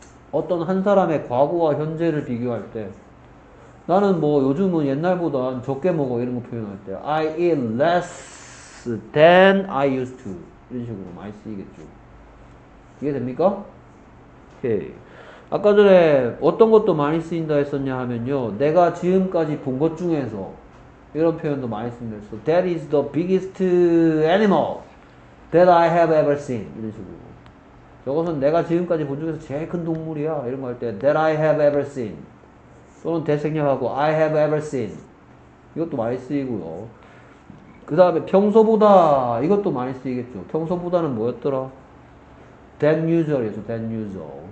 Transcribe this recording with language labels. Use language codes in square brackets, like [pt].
[ko] 어떤 한 사람의 과거와 현재를 비교할 때, 나는 뭐 요즘은 옛날보다 적게 먹어 이런 거 표현할 때, [en] I eat less than I used to [ko] 이런 식으로 많이 쓰이겠죠. 이해됩니까? 오케이. 아까 전에 어떤 것도 많이 쓰인다 했었냐 하면요, 내가 지금까지 본것 중에서 이런 표현도 많이 쓰는데, [en] so that is the biggest animal that I have ever seen. [ko] 이런 식으로. 저것은 내가 지금까지 본 중에서 제일 큰 동물이야. 이런 거할 때, [en] that I have ever seen. [ko] 또는 대생략하고, [en] I have ever seen. [ko] 이것도 많이 쓰이고요. 그 다음에 평소보다, 이것도 많이 쓰이겠죠. 평소보다는 뭐였더라? [en] than usual [ko] 이었죠, than usual.